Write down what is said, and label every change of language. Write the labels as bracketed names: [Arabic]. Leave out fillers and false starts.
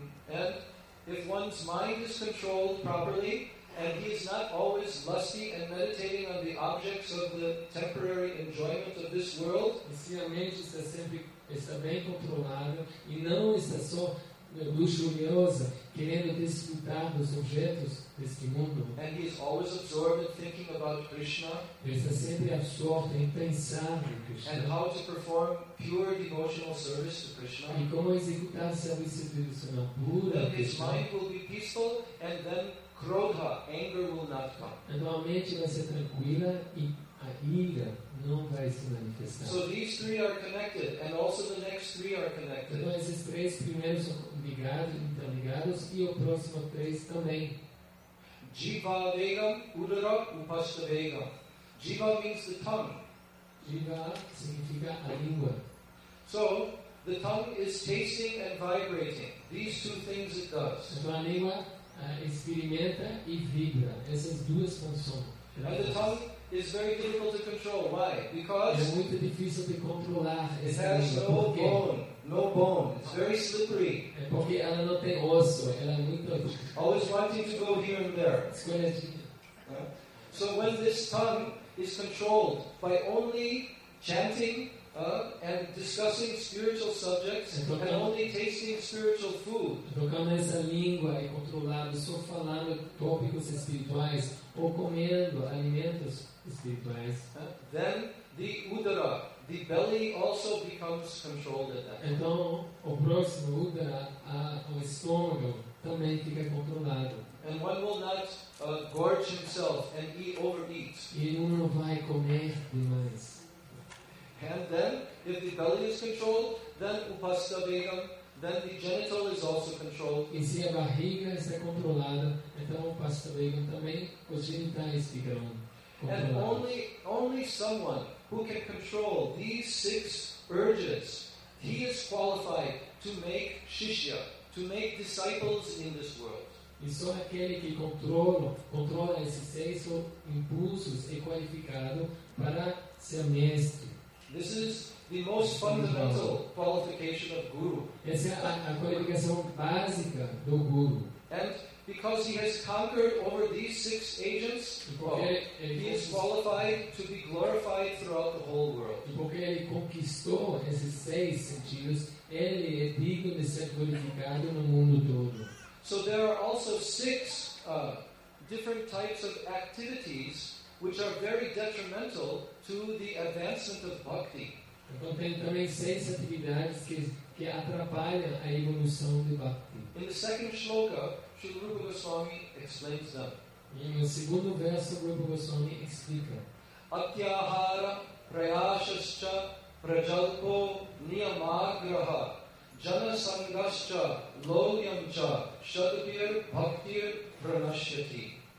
[English] And if one's mind is controlled properly, and he is not always lusty and meditating on the objects of the temporary enjoyment of this world, [Portuguese] se a mente está sempre está bem controlada e não está só luxuriosa, querendo desfrutar dos objetos deste mundo. [English] And he is always absorbed in thinking about Krishna. [Portuguese] Ele está sempre absorto em pensar em Krishna. [English] And how to perform pure devotional service to Krishna. [Portuguese] E como executar serviço devocional puro a Krishna. [English] His mind will be peaceful, and then krodha, anger will not come. [Portuguese] Então a mente vai ser tranquila e a ira não vai se manifestar. [English] So these three are connected, and also the next three are connected. [Portuguese] Então esses três primeiros são ligados, interligados, e o próximo três também. [Sanskrit] Jiva vegam, udara, upasta vegam. [English] Jiva means the tongue. [Portuguese] Jiva significa a língua. [English] So the tongue is tasting and vibrating. These two things it does. [Portuguese] Então a língua experimenta e vibra. Essas duas funções. [English] And the tongue is very difficult to control. Why? Because [Portuguese] é muito difícil de controlar. [English] It has no bone. No bone. It's very slippery. [Portuguese] É porque ela não tem osso. Ela é muito. [English] Always wanting to go here and there. So when this tongue is controlled by only chanting and discussing spiritual subjects and only tasting spiritual food. [Portuguese] Tocando essa língua e controlando, só falando tópicos espirituais ou comendo alimentos espirituais. [English] Then the udara, the belly also becomes controlled at that. [Portuguese] Então o próximo udara, o estômago também fica controlado. [English] And one will not gorge himself and overeat. [Portuguese] E um não vai comer demais. [English] And then, if the belly is controlled, then upasta vegam, then the genital is also controlled. [Portuguese] E se a barriga está controlada, então upasta vegam também, os genitais ficarão controlados. [English] And only someone who can control these six urges, he is qualified to make shishya, to make disciples in this world. [Portuguese] E só aquele que controla esses seis impulsos é qualificado para ser mestre. [English] This is the most fundamental qualification of guru. [Portuguese] Essa é a qualificação básica do guru. [English] And because he has conquered over these six agents, he is qualified to be glorified throughout the whole world. [Portuguese] E porque ele conquistou esses seis sentidos, ele é digno de ser glorificado no mundo todo. [English] So there are also six different types of activities which are very detrimental to the advancement of bhakti. [Portuguese] Então tem também seis atividades que atrapalham a evolução de bhakti. [English] In the second shloka, Srila Rupa Goswami explains them. [Portuguese] No segundo verso, Rupa Goswami explica. [Sanskrit] Atyahara prayashascha prajalpo niyamagraha janasangascha lonyamcha shadbir bhaktir pranashyati.